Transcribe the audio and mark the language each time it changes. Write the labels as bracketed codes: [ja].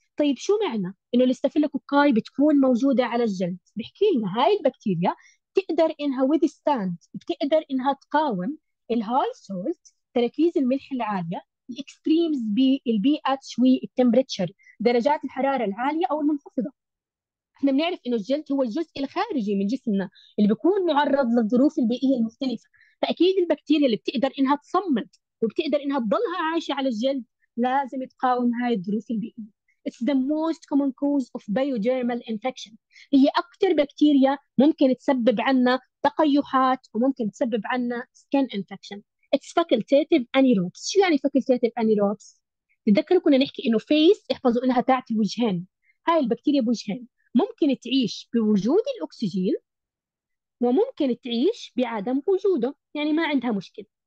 [ar] طيب شو معنى إنه الاستافيلوكوكاي بتكون موجودة على الجلد؟ بحكي لنا هاي البكتيريا تقدر إنها withstand، بتقدر إنها تقاوم الهاي سولت تركيز الملح العالية، الاكستريمز بالبي اتش والتمبريتشر درجات الحراره العاليه او المنخفضه. احنا بنعرف انه الجلد هو الجزء الخارجي من جسمنا اللي بيكون معرض للظروف البيئيه المختلفه، فاكيد البكتيريا اللي بتقدر انها تصمد وبتقدر انها تضلها عايشه على الجلد لازم تقاوم هاي الظروف البيئيه. [en] It's the most common cause of biodermal infection. [ar] هي أكثر بكتيريا ممكن تسبب عنا تقيحات وممكن تسبب عنا skin infection. [en] It's facultative anaerobes. [ar] شو يعني facultative anaerobes؟ تذكروا كنا نحكي انه فيس احفظوا انها تاعت الوجهين، هاي البكتيريا بوجهين، ممكن تعيش بوجود الاكسجين وممكن تعيش بعدم وجوده، يعني ما عندها مشكله.